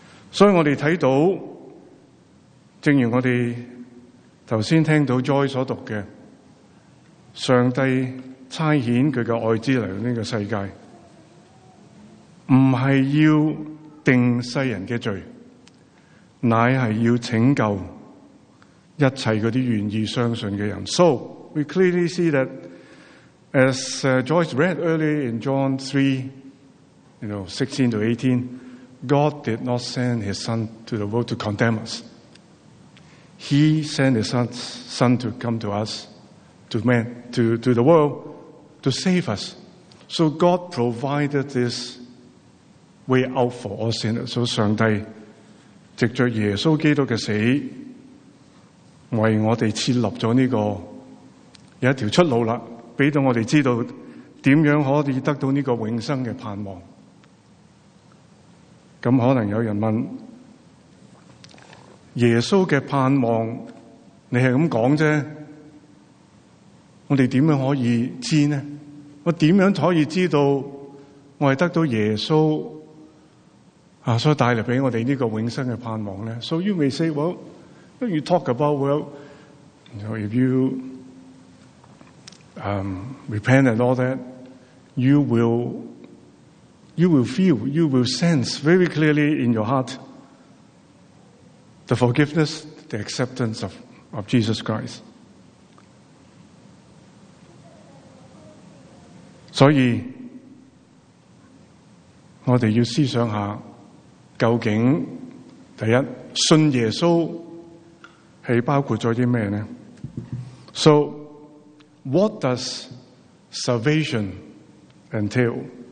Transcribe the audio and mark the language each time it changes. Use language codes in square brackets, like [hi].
[zh] 所以我们看到，正如我们刚才听到 Joy 所读的，上帝差遣他的爱子来到这个世界，不是要定世人的罪，乃是要拯救一切那些愿意相信的人。 [en] So we clearly see that as Joyce read earlier in John 3, you know, 16 to 18, God did not send his son to the world to condemn us. He sent his son to come to us, to man, to the world, to save us. So God provided this way out for all sinners. [zh] So 上帝藉着耶稣基督的死为我们设立了这个有一条出路了，给到我们知道怎样可以得到这个永生的盼望。那可能有人问，耶稣的盼望你是这么说，我们怎样可以知道呢？我怎样可以知道我是得到耶稣所带来给我们这个永生的盼望呢？ [en] So you may say, well,You talk about, well, you know, if you repent and all that, you will feel, you will sense very clearly in your heart the forgiveness, the acceptance of Jesus Christ. [zh] 所以我们要思想下，究竟第一信耶稣是包括了什么呢？ [en] So what does salvation entail?